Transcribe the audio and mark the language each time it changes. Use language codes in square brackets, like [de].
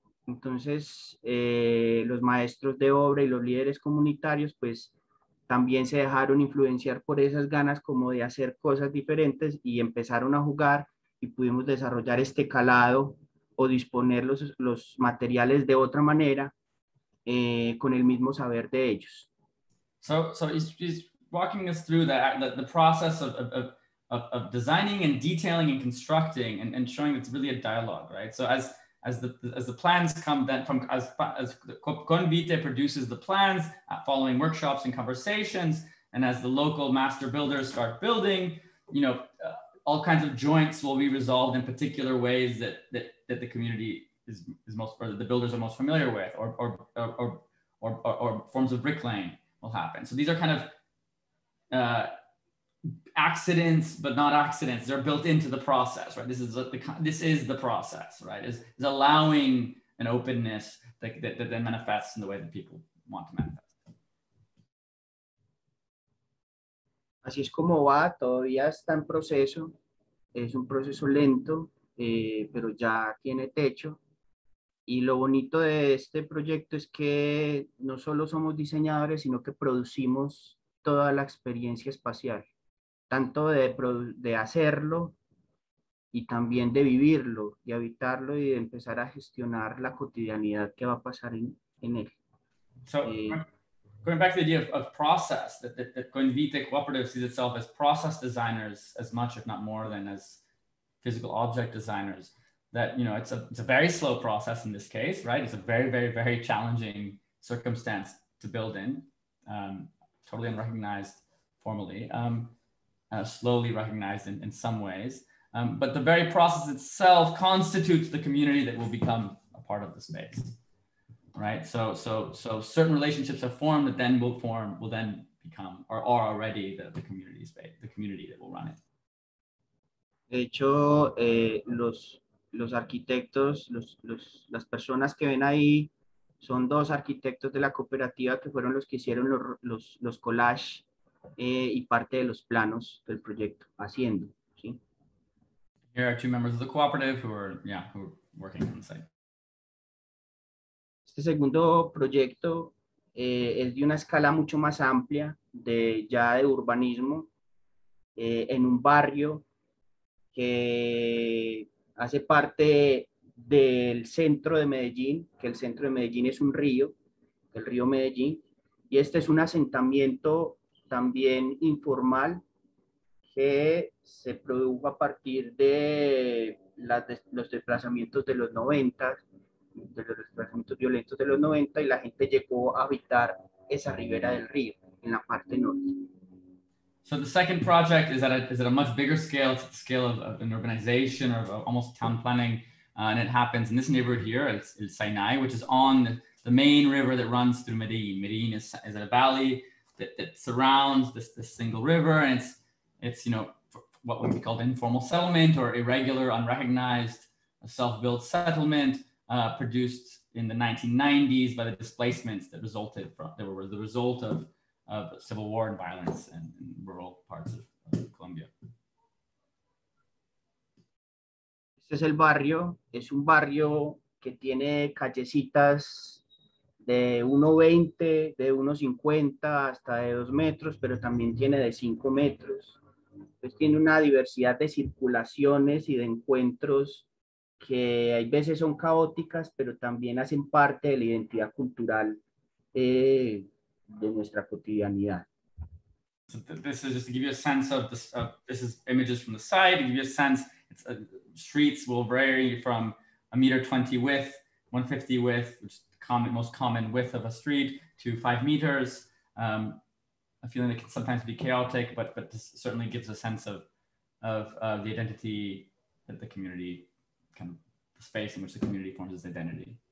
[es] Entonces, los maestros de obra y los líderes comunitarios, pues, también se dejaron influenciar por esas ganas como de hacer cosas diferentes y empezaron a jugar, y pudimos desarrollar este calado o disponer los materiales de otra manera, con el mismo saber de ellos. [en] So he's walking us through the process of designing and detailing and constructing and showing it's really a dialogue, right? So as the plans come, then from as Convite produces the plans following workshops and conversations, and as the local master builders start building, you know, all kinds of joints will be resolved in particular ways that the community is most, or that the builders are most familiar with, or forms of bricklaying will happen. So these are kind of accidents, but not accidents. They're built into the process, right? This is the process, right? Is allowing an openness that then manifests in the way that people want to manifest. [es] Así es como va, todavía está en proceso, es un proceso lento, pero ya tiene techo. Y lo bonito de este proyecto es que no solo somos diseñadores, sino que producimos toda la experiencia espacial, tanto de hacerlo y también de vivirlo, de habitarlo y de empezar a gestionar la cotidianidad que va a pasar en él. [en] So, going back to the idea of process, that Coinvite Cooperative sees itself as process designers as much, if not more, than as physical object designers. That, you know, it's a very slow process in this case, right? It's a very, very, very challenging circumstance to build in, totally unrecognized formally, slowly recognized in some ways. But the very process itself constitutes the community that will become a part of the space, right? So certain relationships are formed that then will then become or are already the community space, the community that will run it. [es] De hecho, los arquitectos, las personas que ven ahí, son dos arquitectos de la cooperativa que fueron los que hicieron los collages y parte de los planos del proyecto haciendo, ¿sí? [en] Here are two members of the cooperative who are working on the site. [es] Este segundo proyecto es de una escala mucho más amplia de urbanismo en un barrio que hace parte del centro de Medellín, que el centro de Medellín es un río, el río Medellín, y este es un asentamiento también informal que se produjo a partir de los desplazamientos de los 90, de los desplazamientos violentos de los 90, y la gente llegó a habitar esa ribera del río, en la parte norte. [en] So the second project is at a much bigger scale. It's the scale of an urbanization or almost town planning. And it happens in this neighborhood here, El Sinai, which is on the main river that runs through Medellin. Medellin is a valley that surrounds this single river. And it's, you know, what would be called informal settlement or irregular, unrecognized, self-built settlement produced in the 1990s by the displacements that resulted from, that were the result of civil war and violence in rural parts of Colombia. [es] Este es el barrio, es un barrio que tiene callecitas de 1.20, de 1.50 hasta de 2 metros, pero también tiene de 5 metros. Pues tiene una diversidad de circulaciones y de encuentros que hay veces son caóticas, pero también hacen parte de la identidad cultural de nuestra cotidianidad. [en] So this is just to give you a sense of this. This is images from the site to give you a sense. It's streets will vary from 1.20 meters width, 1.50 meters width, which is the most common width of a street, to 5 meters. A feeling that can sometimes be chaotic, but this certainly gives a sense of the identity that the community can, the space in which the community forms its identity.